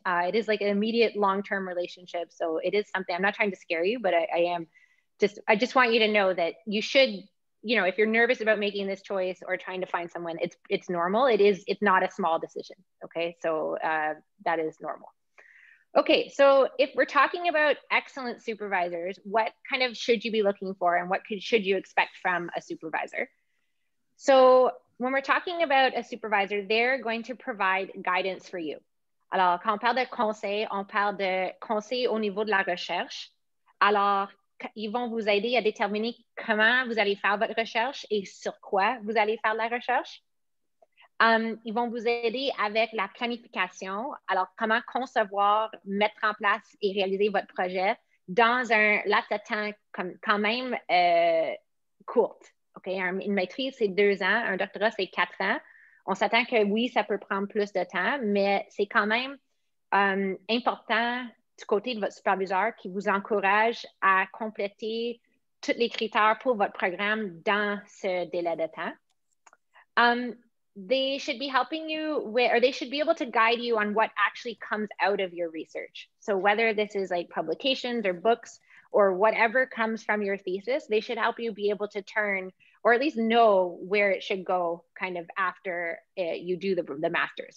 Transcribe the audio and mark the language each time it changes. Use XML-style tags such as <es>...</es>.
<en>It is like an immediate long-term relationship. So it is something, I'm not trying to scare you, but I just want you to know that you should, you know, if you're nervous about making this choice or trying to find someone, it's normal. It's not a small decision, okay? So that is normal. Okay, so if we're talking about excellent supervisors, what kind of should you be looking for and what should you expect from a supervisor? So when we're talking about a supervisor, they're going to provide guidance for you.</en> <fr>Alors, quand on parle de conseil, on parle de conseil au niveau de la recherche. Alors, ils vont vous aider à déterminer comment vous allez faire votre recherche et sur quoi vous allez faire la recherche. Ils vont vous aider avec la planification. Alors, comment concevoir, mettre en place et réaliser votre projet dans un laps de temps quand même courte. Okay? Une maîtrise, c'est 2 ans. Un doctorat, c'est 4 ans. On s'attend que oui, ça peut prendre plus de temps, mais c'est quand même important du côté de votre superviseur qui vous encourage à compléter tous les critères pour votre programme dans ce délai de temps.</fr> <en>They should be helping you with, or they should be able to guide you on what actually comes out of your research. So whether this is like publications or books or whatever comes from your thesis, they should help you be able to turn or at least know where it should go kind of after you do the master's.</en>